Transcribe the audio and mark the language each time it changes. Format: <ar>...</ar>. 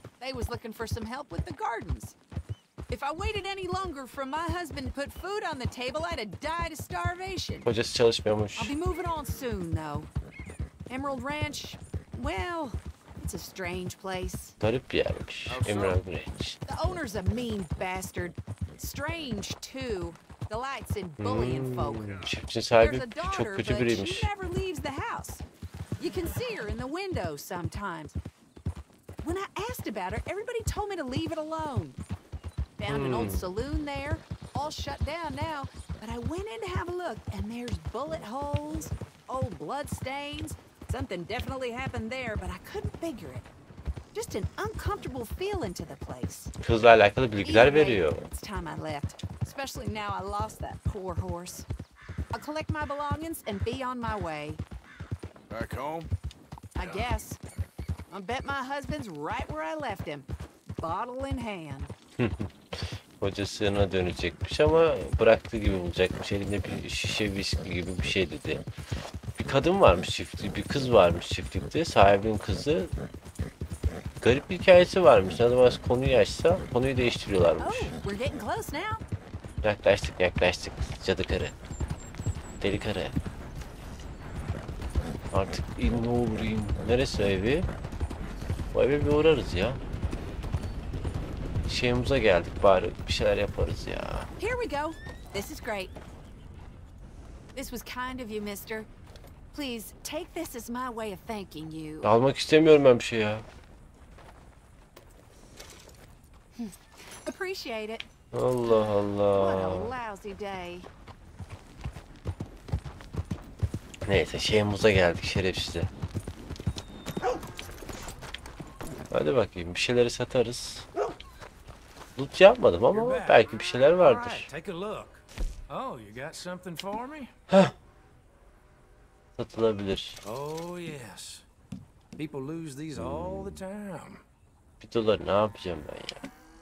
<en>They was looking for some help with the gardens. If I waited any longer for my husband to put food on the table, I'd have died of starvation.</en> <tr>Kocası çalışmıyormuş.</tr> <en>I'll be moving on soon though. Emerald Ranch, well, it's a strange place.</en> <tr>Garip bir yermiş. Emerald Ranch.</tr> <en>The owner's a mean bastard. Strange too. The lights in bullying folk.</en> <tr>Çiftçinin sahibi çok kötü biriymiş.</tr> <en>She never leaves the house. You can see her in the window sometimes. When I asked about her, everybody told me to leave it alone. Found an old saloon there, all shut down now. But I went in to have a look, and there's bullet holes, old blood stains. Something definitely happened there, but I couldn't figure it. Just an uncomfortable feeling to the place.</en> <tr>Kızla alakalı bilgiler veriyor.</tr> <en>It's time I left. Especially now I lost that poor horse. I'll collect my belongings and be on my way. Back home? I guess. I bet my husband's right where I left him. Bottle in hand.</en> <tr>Kocasına dönecekmiş ama bıraktığı gibi olacakmış. Elinde bir şişe viski gibi bir şey dedi. Bir kadın varmış çiftlikte, bir kız varmış çiftlikte. Sahibin kızı. Garip bir hikayesi varmış. Ne zaman konuyu açsa konuyu değiştiriyorlarmış.</tr> <en>Oh, we're getting close now.</en> <tr>Yaklaştık, yaklaştık. Cadı karı. Deli karı. Artık in ne olur in. Neresi evi? Bu eve bir uğrarız ya. Şeyimize geldik bari bir şeyler yaparız ya.</tr> <en>Here we go. This is great. This was kind of you, mister. Please take this as my way of thanking you.</en> <tr>Almak istemiyorum ben bir şey ya.</tr> <en>Appreciate it.</en> <tr>Allah Allah.</tr> <en>What a lousy day.</en> <tr>Neyse, şeyimize geldik şerefsizde. Hadi bakayım, bir şeyleri satarız. Loot yapmadım ama belki bir şeyler vardır.</tr> <en>Oh, you got something for me?</en> <tr>Satılabilir.</tr> <en>Oh yes. People lose these all the time.</en> <tr>Bir dolar ne yapacağım ben ya?</tr>